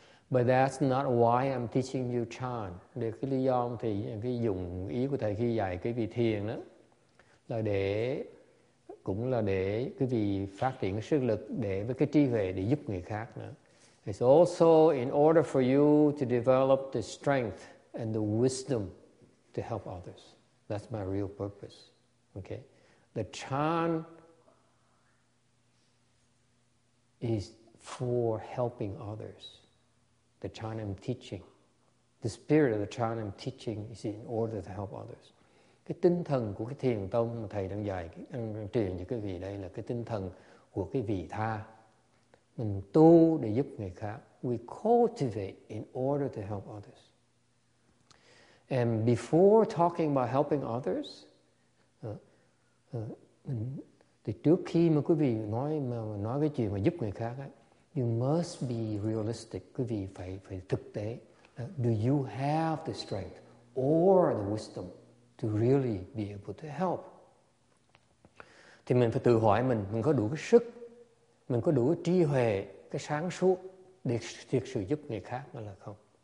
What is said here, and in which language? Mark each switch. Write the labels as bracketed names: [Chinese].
[English] But that's not why I'm teaching you chan. [Vietnamese] Để cái lý do thì cái dụng ý của thầy khi dạy cái vị thiền đó là để cũng là để cái vị phát triển cái sức lực để với cái trí huệ để giúp người khác nữa. [English] It's also in order for you to develop the strength and the wisdom to help others. That's my real purpose. Okay. The chan is for helping others. The chan I'm teaching, the spirit of the chan I'm teaching is in order to help others. [Vietnamese] Cái tinh thần của cái thiền tông mà thầy đang dạy, đang truyền cho quý vị đây là cái tinh thần của cái vị tha. Mình tu để giúp người khác. [English] We cultivate in order to help others. And before talking about helping others, [Vietnamese] thì trước khi mà quý vị nói cái chuyện mà giúp người khác ấy, [English] you must be realistic. [Vietnamese] Quý vị phải thực tế. [English] Do you have the strength or the wisdom to really be able to help? [Vietnamese] Thì mình phải tự hỏi mình có đủ cái sức, mình có đủ cái trí huệ, cái sáng suốt để thực sự giúp người khác hay là không?